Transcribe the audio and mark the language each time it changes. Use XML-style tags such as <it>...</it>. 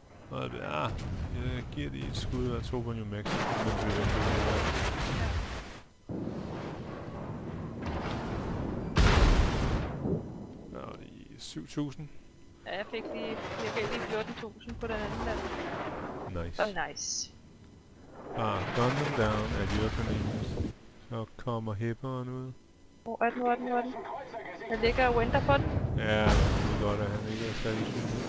<da>Og jeg giver lige et skud af to på New Mexico, mens vi venter på det. 7.000. Ja, jeg fik lige 14.000 på den anden der.</da> <en>Nice. Oh, nice. Ah, gun them down at your convenience.</en> <da>Så kommer hipperen ud. Hvor er den, hvor er den, hvor er den? Han ligger og venter på den. Ja, det er godt, at han ikke er særlig syg.</da>